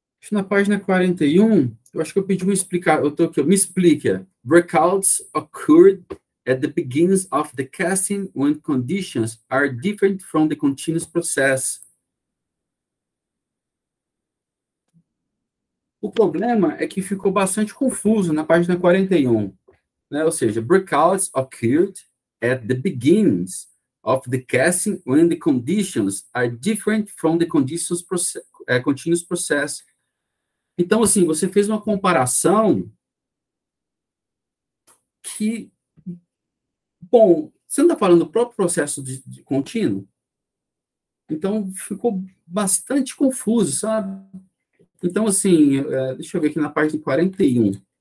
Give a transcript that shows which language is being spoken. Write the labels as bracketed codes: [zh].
[pt] Na página 41, eu acho que eu pedi um explicar, eu tô aqui, me explica. [en] Breakouts occurred at the beginning of the casting when conditions are different from the continuous process. [pt] O problema é que ficou bastante confuso na página 41, né? Ou seja, [en] breakouts occurred at the beginnings of the casting when the conditions are different from the continuous process. [pt] Então, assim, você fez uma comparação que, bom, você não está falando do próprio processo de contínuo? Então, ficou bastante confuso, sabe? Então, assim, deixa eu ver aqui na página 41.